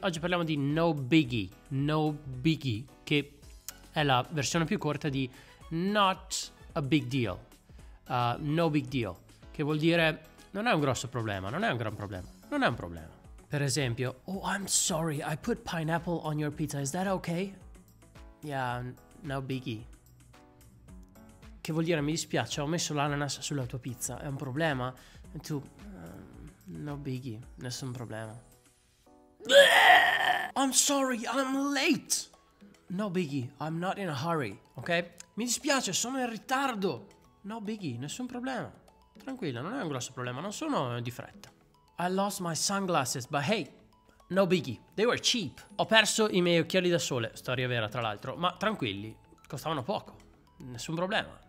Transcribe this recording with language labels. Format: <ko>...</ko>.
<it>Oggi parliamo di No Biggie. No Biggie, che è la versione più corta di Not a Big Deal. No Big Deal, che vuol dire non è un grosso problema, non è un gran problema, non è un problema. Per esempio,</it> <en>oh, I'm sorry, I put pineapple on your pizza, is that okay? Yeah, no biggie.</en> <it>Che vuol dire, mi dispiace, ho messo l'ananas sulla tua pizza, è un problema? E tu, no biggie, nessun problema.</it> <en>I'm sorry, I'm late. No biggie, I'm not in a hurry, ok?</en> <it>Mi dispiace, sono in ritardo. No biggie, nessun problema. Tranquilla, non è un grosso problema, non sono di fretta.</it> <en>I lost my sunglasses, but hey, no biggie, they were cheap.</en> <it>Ho perso i miei occhiali da sole, storia vera tra l'altro, ma tranquilli, costavano poco, nessun problema.</it>